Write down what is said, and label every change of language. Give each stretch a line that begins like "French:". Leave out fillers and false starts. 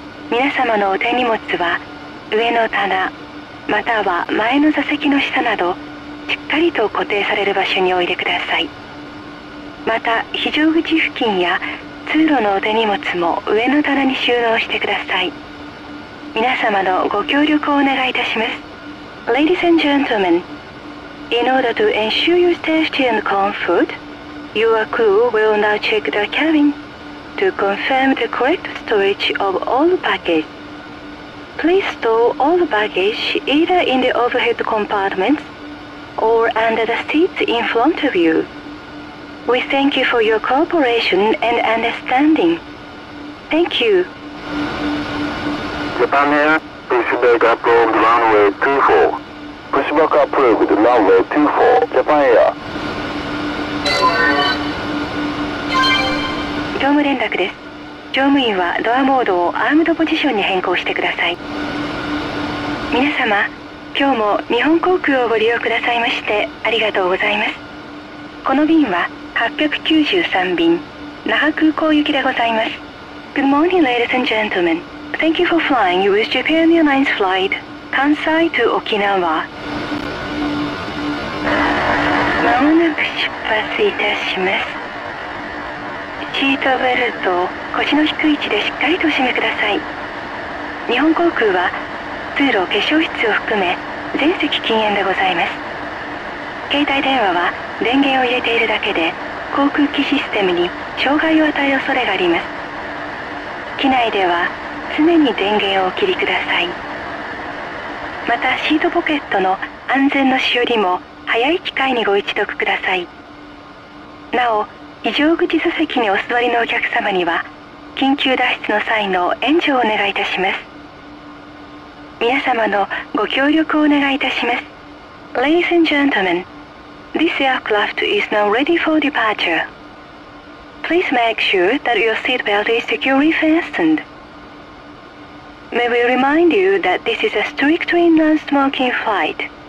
Japanese: 皆様のお手荷物は上の棚または前の座席の下などしっかりと固定される場所においでください。また非常口付近や通路のお手荷物も上の棚に収納してください。皆様のご協力をお願いいたします。
English: Ladies and gentlemenIn order to ensure your safety and comfort, your crew will now check the cabin to confirm the correct storage of all baggage. Please store all baggage either in the overhead compartments or under the seats in front of you. We thank you for your cooperation and understanding. Thank you. Japan Air, please back up on the runway 24. Push back up with the runway 24, Japan Air.
Japanese: 乗務連絡です。乗務員はドアモードをアームドポジションに変更してください。皆様、今日も日本航空をご利用くださいましてありがとうございます。この便は893便、那覇空港行きでございます。
English: Good morning, ladies and gentlemen. Thank you for flying with Japan Airlines flight.
Japanese: 関西と沖縄まもなく出発いたします。シートベルトを腰の低い位置でしっかりとお締めください。日本航空は通路化粧室を含め全席禁煙でございます。携帯電話は電源を入れているだけで航空機システムに障害を与える恐れがあります。機内では常に電源をお切りください。またシートポケットの安全のしおりも早い機会にご一読ください。なお非常口座席にお座りのお客様には緊急脱出の際の援助をお願いいたします。皆様のご協力をお願いいたします。
English: Ladies and gentlemen, this aircraft is now ready for departure. Please make sure that your seat belt is securely fastenedMay we remind you that this is a strictly non-smoking flight.